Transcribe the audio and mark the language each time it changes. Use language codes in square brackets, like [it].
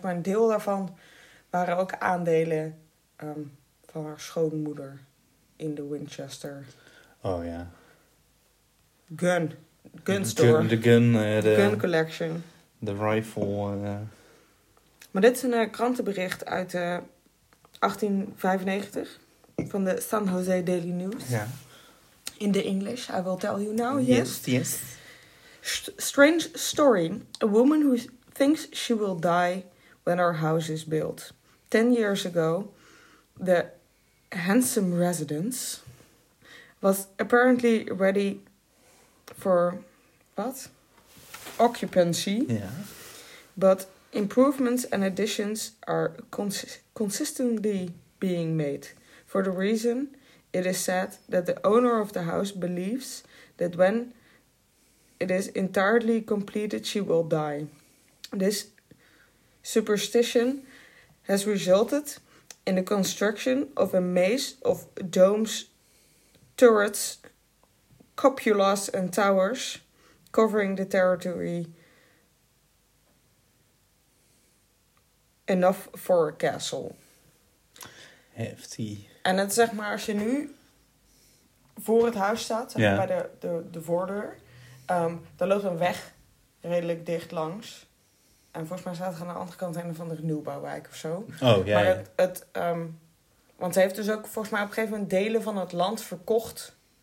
[nl] Maar een deel daarvan waren ook aandelen van haar schoonmoeder in de Winchester. Oh ja. [en] Gun. Gun store. [nl] De gun [en] collection. [nl] De rifle. Maar dit is een krantenbericht uit 1895 van de San Jose Daily News. Ja. [en] In the English, I will tell you now, yes. Yes. Strange story. A woman who thinks she will die when her house is built. 10 years ago, the handsome residence was apparently ready for, what? Occupancy. Yeah. But improvements and additions are consistently being made. For the reason, it is said that the owner of the house believes that when it is entirely completed, she will die. This superstition has resulted in the construction of a maze of domes, turrets, cupolas and towers covering the territory enough for a castle. Hefty. [nl] En het zeg maar, als je nu voor het huis staat, zeg maar, yeah, bij de voordeur, daar loopt een weg redelijk dicht langs. En volgens mij staat er aan de andere kant een of andere nieuwbouwwijk of zo. Oh, ja. Yeah, maar het want ze heeft dus ook volgens mij op een gegeven moment delen van het land verkocht